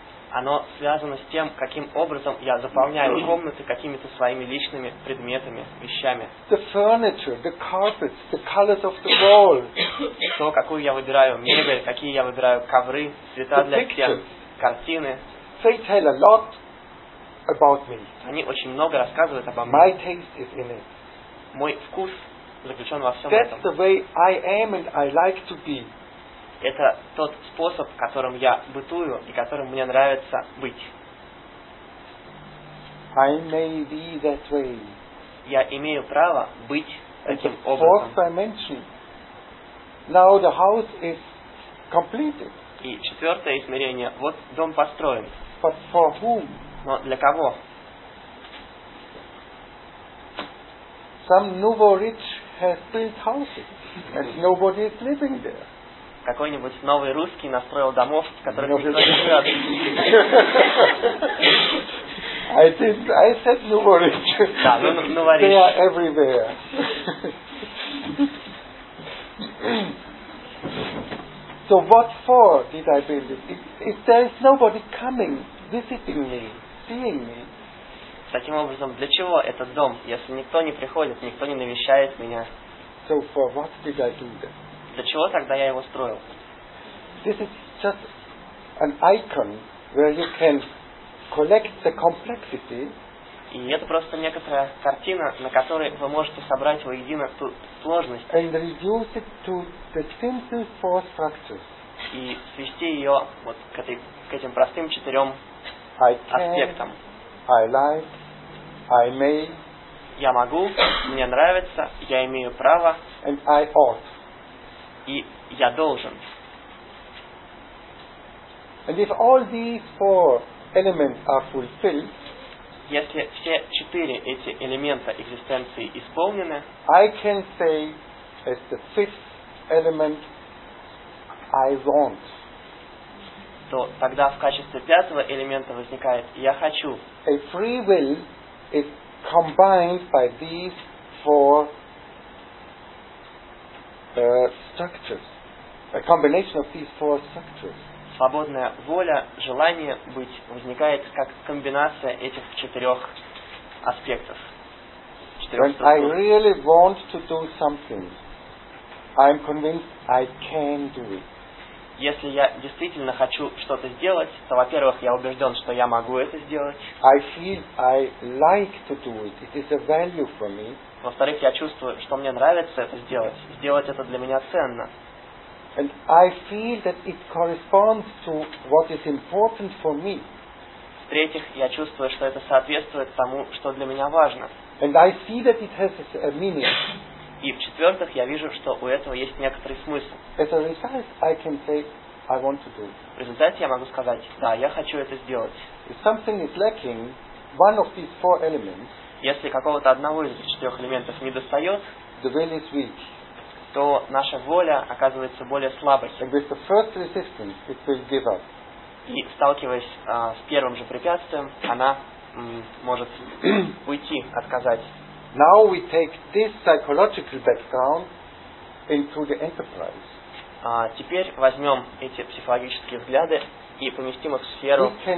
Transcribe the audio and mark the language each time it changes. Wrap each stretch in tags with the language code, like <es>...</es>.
<ru>Оно связано с тем, каким образом я заполняю комнаты какими-то своими личными предметами, вещами.</ru> <en>The furniture, the carpets, the colors of the wall.</en> <ru>То, какую я выбираю мебель, какие я выбираю ковры, цвета для стен, картины.</ru> <en>They tell a lot about me.</en> <ru>Они очень много рассказывают обо мне.</ru> <en>My taste is in it.</en> <ru>Мой вкус заключен во всем</ru> <en>That's</en> <ru>этом.</ru> <en>The way I am and I like to be.</en> <ru>Это тот способ, которым я бытую и которым мне нравится быть.</ru> <en>I may be that way.</en> <ru>Я имею право быть</ru> <en>It's</en> <ru>таким</ru> <en>fourth</en> <ru>образом.</ru> <en>Fourth dimension. Now the house is completed.</en> <ru>И четвертое измерение. Вот дом построен.</ru> <en>But for whom?</en> <ru>Но для кого?</ru> <en>Some nouveau rich has built houses, and nobody is living there.</en> <ru>Какой-нибудь новый русский настроил домов, в которых никто не живет.</ru> <en>I said nouveau rich.</en> <ru>Да, nouveau rich.</ru> <en>They are everywhere. So what for did I build it? If there is nobody coming, visiting me, seeing me.</en> <ru>Таким образом, для чего этот дом, если никто не приходит, никто не навещает меня?</ru> <en>So for what did I do that?</en> <ru>Для чего тогда я его строил?</ru> <en>This is just an icon where you can collect the complexity.</en> <ru>И это просто некоторая картина, на которой вы можете собрать воедино ту сложность.</ru> <en>And reduce it to the simple four structures.</en> <ru>И свести ее вот к этой, к этим простым четырем аспектам.</ru> <en>I like, I may.</en> <ru>Я могу, мне нравится, я имею право.</ru> <en>And I ought.</en> <ru>И я должен.</ru> <en>And if all these four elements are fulfilled,</en> <ru>если все четыре эти элемента экзистенции исполнены,</ru> <en>I can say as the fifth element, I want.</en> <ru>То тогда в качестве пятого элемента возникает «я хочу».</ru> <en>A free will is combined by these four structures. A combination of these four structures.</en> <ru>Свободная воля, желание быть возникает как комбинация этих четырех аспектов.</ru> <en>When I really want to do something, I'm convinced I can do it.</en> <ru>Если я действительно хочу что-то сделать, то, во-первых, я убежден, что я могу это сделать.</ru> <en>I feel I like to do it. It is a value for me.</en> <ru>Во-вторых, я чувствую, что мне нравится это сделать. Сделать это для меня ценно.</ru> <en>And I feel that it corresponds to what is important for me.</en> <ru>В-третьих, я чувствую, что это соответствует тому, что для меня важно.</ru> <en>And I see that it has a meaning.</en> <ru>И в-четвертых, я вижу, что у этого есть некоторый смысл.</ru> <en>As a result, I can say, I want to do it.</en> <ru>В результате я могу сказать, да, я хочу это сделать.</ru> <en>If something is lacking, one of these four elements,</en> <ru>если какого-то одного из четырех элементов не достает,</ru> <en>the will is weak.</en> <ru>То наша воля оказывается более слабой.</ru> <en>And with the first resistance, it will give up.</en> <ru>И сталкиваясь с первым же препятствием, она может уйти, отказать.</ru> <en>Now we take this psychological background into the enterprise.</en> <ru>Теперь возьмем эти психологические взгляды и поместим их в сферу</ru>